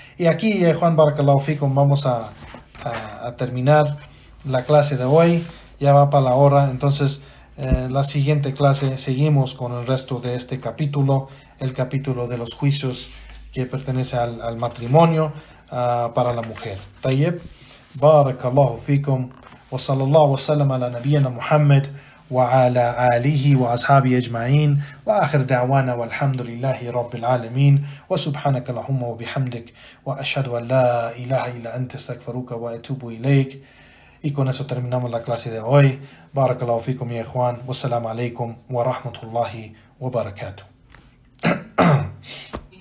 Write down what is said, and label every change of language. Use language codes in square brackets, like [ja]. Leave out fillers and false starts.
[es] Y aquí, Juan [ar] barakallahu fikum, [es] vamos a terminar la clase de hoy. Ya va para la hora. Entonces, la siguiente clase seguimos con el resto de este capítulo, el capítulo de los juicios que pertenece al matrimonio para la mujer. [ar] Tayyib. Barakallahu fikum. Wa sallallahu wa sallam ala nabiyyina Muhammad وعلى آله وأصحابه أجمعين وآخر دعوانا والحمد لله رب العالمين وسبحانك اللهم وبحمدك وأشهد أن لا إله إلا أنت استغفرك وأتوب إليك. [es] Y con eso terminamos la clase de hoy. [ar] بارك الله فيكم يا إخوان والسلام عليكم ورحمة الله وبركاته.